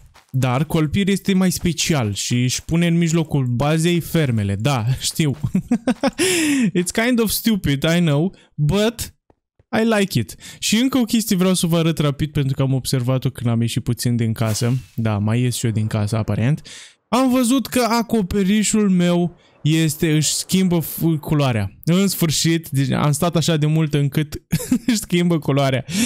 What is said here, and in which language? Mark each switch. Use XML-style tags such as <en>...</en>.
<ro>Dar Colpir este mai special și își pune în mijlocul bazei fermele. Da, știu.</ro> <en>It's kind of stupid, I know, but I like it.</en> <ro>Și încă o chestie vreau să vă arăt rapid pentru că am observat-o când am ieșit puțin din casă. Da, mai ies și eu din casă, aparent. Am văzut că acoperișul meu își schimbă culoarea. În sfârșit, am stat așa de mult încât își schimbă culoarea.</ro>